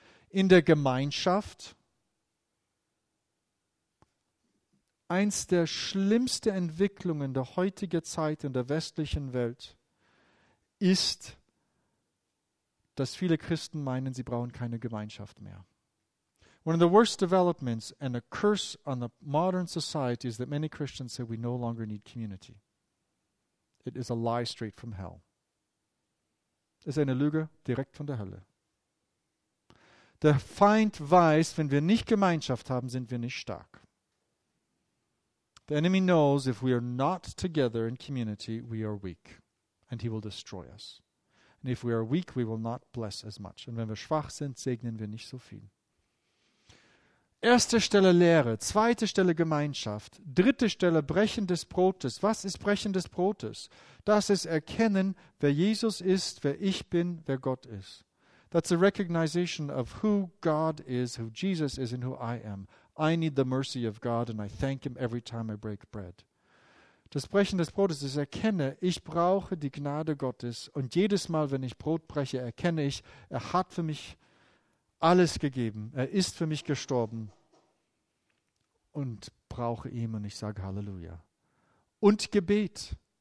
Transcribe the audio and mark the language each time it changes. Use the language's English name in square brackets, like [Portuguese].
[German] In der Gemeinschaft. Eins der schlimmsten Entwicklungen der heutigen Zeit in der westlichen Welt ist, dass viele Christen meinen, sie brauchen keine Gemeinschaft mehr. [English] One of the worst developments and a curse on the modern society is that many Christians say we no longer need community. It is a lie straight from hell. [German] Es ist eine Lüge direkt von der Hölle. Der Feind weiß, wenn wir nicht Gemeinschaft haben, sind wir nicht stark. [English] The enemy knows if we are not together in community, we are weak and he will destroy us. And if we are weak, we will not bless as much. [German] Und wenn wir schwach sind, segnen wir nicht so viel. Erste Stelle Lehre, zweite Stelle Gemeinschaft, dritte Stelle Brechen des Brotes. Was ist Brechen des Brotes? Das ist erkennen, wer Jesus ist, wer ich bin, wer Gott ist. [English] That's a recognition of who God is, who Jesus is and who I am. I need the mercy of God and I thank him every time I break bread. [German] Das Brechen des Brotes ist, erkenne, ich brauche die Gnade Gottes und jedes Mal, wenn ich Brot breche, erkenne ich, er hat für mich alles gegeben, er ist für mich gestorben und brauche ihn und ich sage Halleluja. Und Gebet.